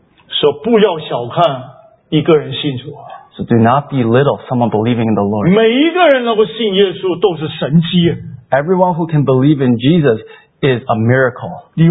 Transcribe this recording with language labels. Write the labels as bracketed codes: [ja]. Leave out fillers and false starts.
[zh] So, 不要小看一个人信主。 [en] So do not belittle someone believing in the Lord. [zh] 每一个人能够信耶稣都是神迹。 [en] Everyone who can believe in Jesus is a miracle.